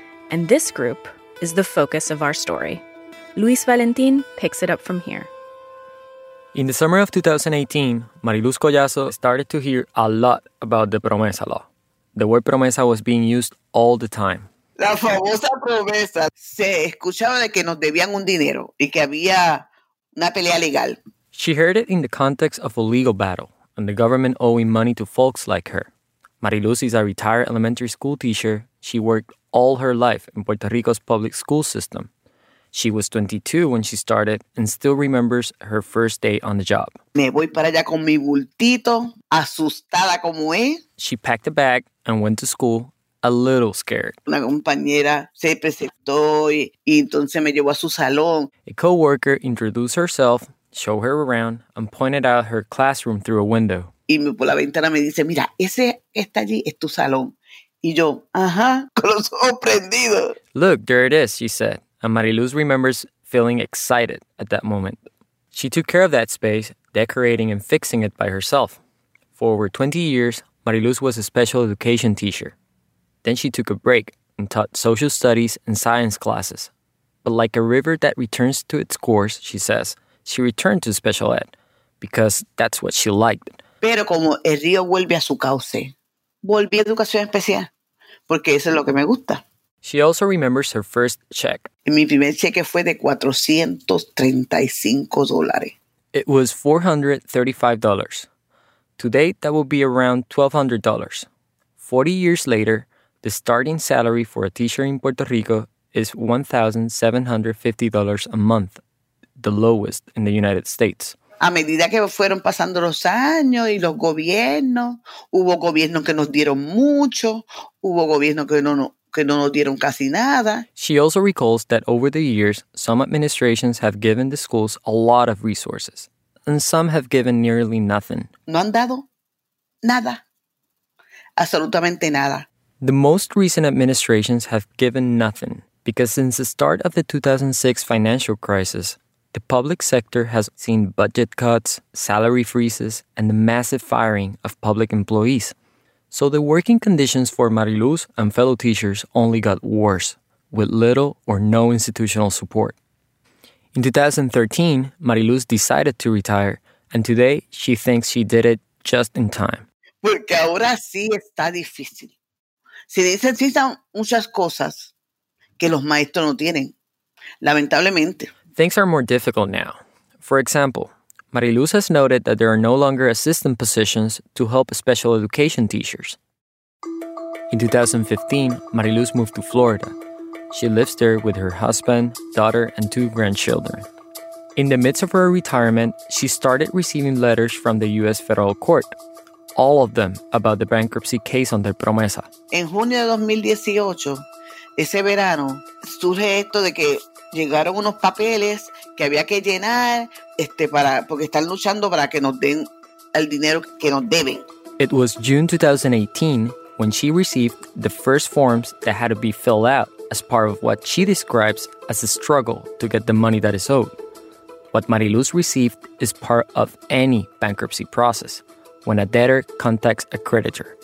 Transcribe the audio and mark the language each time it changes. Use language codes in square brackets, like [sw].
[en] And this group is the focus of our story. Luis Valentín picks it up from here. In the summer of 2018, Mariluz Collazo started to hear a lot about the Promesa Law. The word promesa was being used all the time. [es] La famosa promesa. Se escuchaba de que nos debían un dinero y que había una pelea legal. [en] She heard it in the context of a legal battle and the government owing money to folks like her. Mariluz is a retired elementary school teacher. She worked all her life in Puerto Rico's public school system. She was 22 when she started and still remembers her first day on the job. [es] Me voy para allá con mi bultito, asustada como es. [en] She packed a bag and went to school, a little scared. [es] Una compañera se presentó y entonces me llevó a su salón. [en] A co-worker introduced herself, showed her around, and pointed out her classroom through a window. [es] Y por la ventana me dice, mira, ese está allí, es tu salón. Y yo, ajá, con los ojos prendidos. [en] Look, there it is, she said. And Mariluz remembers feeling excited at that moment. She took care of that space, decorating and fixing it by herself. For over 20 years, Mariluz was a special education teacher. Then she took a break and taught social studies and science classes. But like a river that returns to its course, she says, she returned to special ed because that's what she liked. [es] Pero como el río vuelve a su cauce, volví a educación especial porque eso es lo que me gusta. [en] She also remembers her first check. [es] Mi primer cheque fue de $435. [en] It was $435. To date, that would be around $1,200. 40 years later, the starting salary for a teacher in Puerto Rico is $1,750 a month, the lowest in the United States. [es] A medida que fueron pasando los años y los gobiernos, hubo gobiernos que nos dieron mucho, hubo gobiernos que no nos dieron casi nada. [en] She also recalls that over the years, some administrations have given the schools a lot of resources, and some have given nearly nothing. [es] No han dado nada. Absolutamente nada. [en] The most recent administrations have given nothing, because since the start of the 2006 financial crisis, the public sector has seen budget cuts, salary freezes, and the massive firing of public employees. So the working conditions for Mariluz and fellow teachers only got worse, with little or no institutional support. In 2013, Mariluz decided to retire, and today she thinks she did it just in time. [es] Porque ahora sí está difícil. Se necesitan muchas cosas que los maestros no tienen, lamentablemente. [en] Things are more difficult now. For example, Mariluz has noted that there are no longer assistant positions to help special education teachers. In 2015, Mariluz moved to Florida. She lives there with her husband, daughter, and two grandchildren. In the midst of her retirement, she started receiving letters from the U.S. federal court, all of them about the bankruptcy case on the Promesa. [es] En junio de 2018, ese verano, surge esto de que llegaron unos papeles que había que llenar porque están luchando para que nos den el dinero que nos deben. [en] It was June 2018 when she received the first forms that had to be filled out as part of what she describes as a struggle to get the money that is owed. What Mariluz received is part of any bankruptcy process when a debtor contacts a creditor.